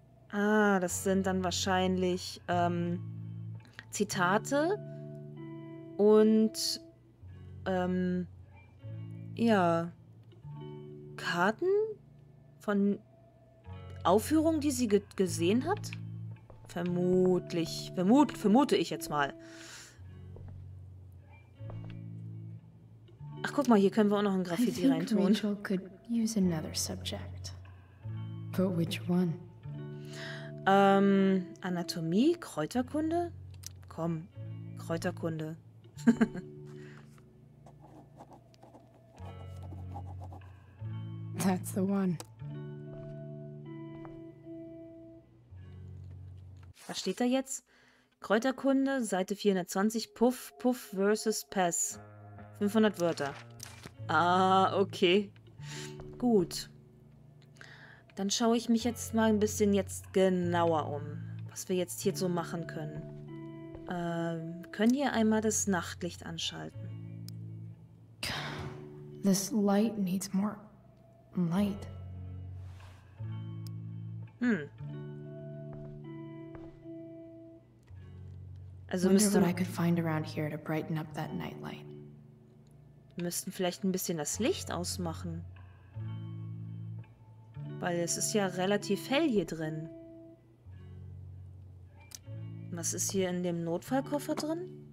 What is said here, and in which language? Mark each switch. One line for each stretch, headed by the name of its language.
German: Ah, das sind dann wahrscheinlich Zitate und Karten von Aufführungen, die sie gesehen hat. Vermute ich jetzt mal. Ach, guck mal, hier können wir auch noch ein Graffiti reintun.
English: Rachel could use another subject. But which one?
German: Anatomie, Kräuterkunde? Komm, Kräuterkunde.
English: That's the one.
German: Was steht da jetzt? Kräuterkunde, Seite 420, Puff, Puff versus Pass. 500 Wörter. Ah, okay. Gut. Dann schaue ich mich jetzt mal ein bisschen jetzt genauer um, was wir jetzt hier so machen können. Können hier einmal das Nachtlicht anschalten?
English: This light needs more light. Hm.
German: Also müsste
English: what I could find around here to brighten up that nightlight.
German: Wir müssten vielleicht ein bisschen das Licht ausmachen. Weil es ist ja relativ hell hier drin. Was ist hier in dem Notfallkoffer drin?